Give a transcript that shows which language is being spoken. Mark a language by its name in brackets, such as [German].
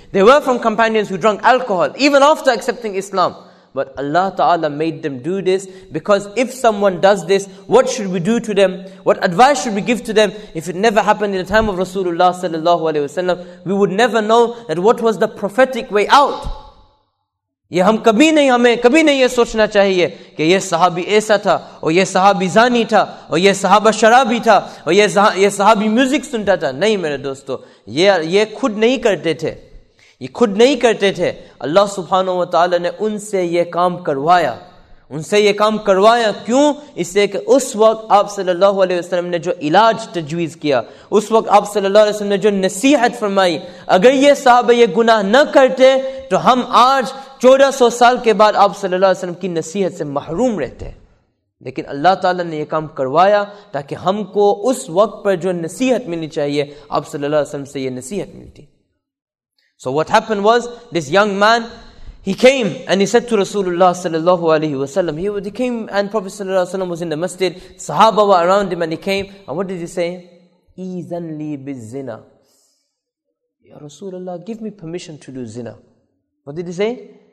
[English] They were from companions who drank alcohol, even after accepting Islam. But Allah Ta'ala made them do this, because if someone does this, what should we do to them? What advice should we give to them? If it never happened in the time of Rasulullah sallallahu alayhi wa sallam, we would never know that what was the prophetic way out. [Urdu] یہ ہم کبھی نہیں, ہمیں کبھی نہیں یہ سوچنا چاہیے کہ یہ صحابی ایسا تھا, اور یہ صحابی زانی تھا, اور یہ صحابہ شرابی تھا, اور یہ صحابی میوزک سنتا تھا. نہیں میرے دوستو, یہ خود نہیں کرتے تھے, یہ خود نہیں کرتے تھے. اللہ سبحانہ و تعالی نے ان سے یہ کام کروایا, ان سے یہ کام کروایا. کیوں؟ اس لیے کہ اس وقت آپ صلی اللہ علیہ وسلم نے جو علاج تجویز کیا, اس وقت آپ صلی اللہ علیہ وسلم نے جو نصیحت فرمائی, اگر یہ صحابہ یہ گناہ نہ کرتے تو ہم آج 1400 سال کے بعد آپ صلی اللہ علیہ وسلم کی نصیحت سے محروم رہتے. لیکن اللہ تعالیٰ نے یہ کام کروایا تاکہ ہم کو اس وقت پر جو نصیحت ملنی چاہیے, آپ صلی اللہ علیہ وسلم سے یہ نصیحت ملتی. [English] So what happened was, this young man, he came and he said to Rasulullah sallallahu alayhi wa sallam, he came and Prophet sallallahu alayhi wa sallam was in the masjid, sahaba were around him, and he came, and what did he say? Izan li biz zina. Ya Rasulullah, give me permission to do zina. What did he say?